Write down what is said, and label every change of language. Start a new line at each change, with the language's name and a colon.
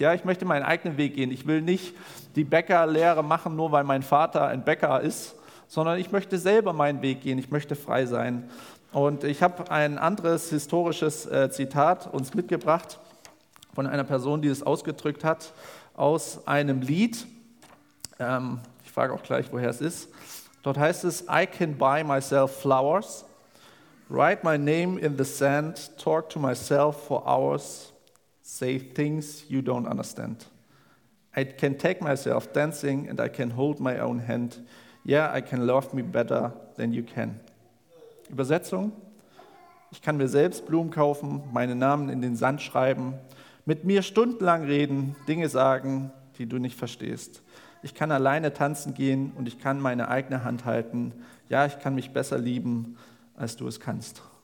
German: Ja, ich möchte meinen eigenen Weg gehen. Ich will nicht die Bäckerlehre machen, nur weil mein Vater ein Bäcker ist, sondern ich möchte selber meinen Weg gehen, ich möchte frei sein. Und ich habe ein anderes historisches Zitat uns mitgebracht von einer Person, die es ausgedrückt hat, aus einem Lied. Ich frage auch gleich, woher es ist. Dort heißt es,
English: I can buy myself flowers, write my name in the sand, talk to myself for hours, say things you don't understand. I can take myself dancing and I can hold my own hand. Yeah, I can love me better than you can.
German: Übersetzung: Ich kann mir selbst Blumen kaufen, meinen Namen in den Sand schreiben, mit mir stundenlang reden, Dinge sagen, die du nicht verstehst. Ich kann alleine tanzen gehen und ich kann meine eigene Hand halten. Ja, ich kann mich besser lieben, als du es kannst.